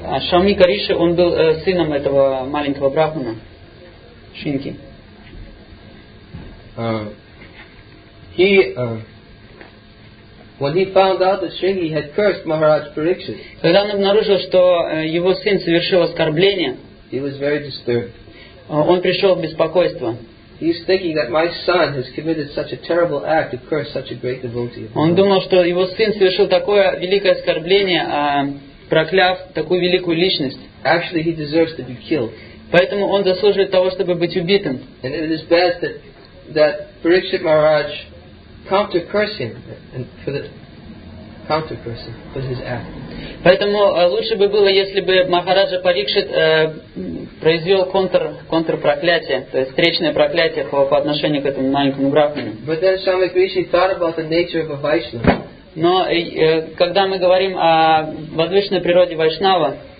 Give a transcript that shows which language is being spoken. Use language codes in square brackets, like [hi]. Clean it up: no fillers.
[ru] Шамика Риши, он был сыном этого маленького брахмана Шинки. [en] When he found out that Shingi had cursed Maharaj Parikshit, [ru] когда он обнаружил, что его сын совершил оскорбление, [en] he was very disturbed. [ru] Он пришел в беспокойство. [en] He's thinking that my son has committed such a terrible act to curse such a great devotee. [ru] Он думал, что его сын совершил такое великое оскорбление, прокляв такую великую личность. [en] Actually, he deserves to be killed. [ru] Поэтому он заслуживает того, чтобы быть убитым. [en] And it is best that Parikshit Maharaj counter-curse him for his act. [ru] Поэтому лучше бы было, если бы Махараджа Парикшит произвел контр-проклятие, то есть встречное проклятие по отношению к этому маленькому брахману. [en] But then Shamika Rishi thought about the nature of a Vaishnava. [ru] Но когда мы говорим о возвышенной природе Вайшнава,